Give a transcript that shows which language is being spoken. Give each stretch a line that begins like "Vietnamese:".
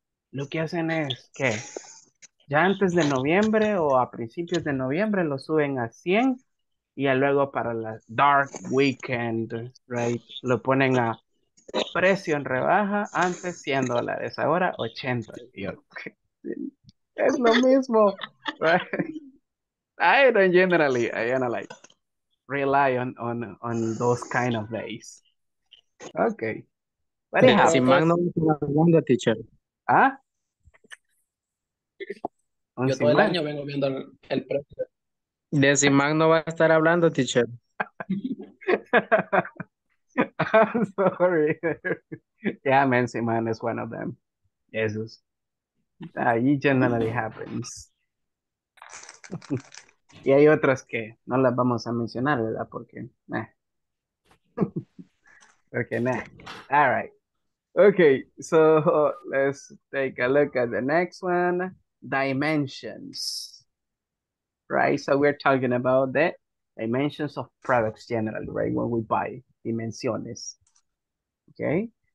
Spanish: Lo que hacen es que ya antes de noviembre o a principios de noviembre lo suben a 100 y ya luego para la
English: dark weekend,
Spanish: right, lo ponen a precio en rebaja, antes $100, ahora 80. Es lo mismo,
English: right? I don't generally, I don't like rely on those kind of days. Okay. What do you have? Teacher. Ah?
Spanish: Yo todo el año vengo viendo el precio. De Simán no va a estar hablando, teacher.
English: I'm sorry. Yeah, man, Simán is one of them. Jesus.
Spanish: Ahí
English: generally happens.
Spanish: Y hay otras que no las vamos a mencionar, ¿verdad? Porque,
English: All right. Okay, so let's take a look at the next one. Dimensions, right? So we're talking about the dimensions of products generally, right? When we buy,
Spanish: dimensiones,
English: okay?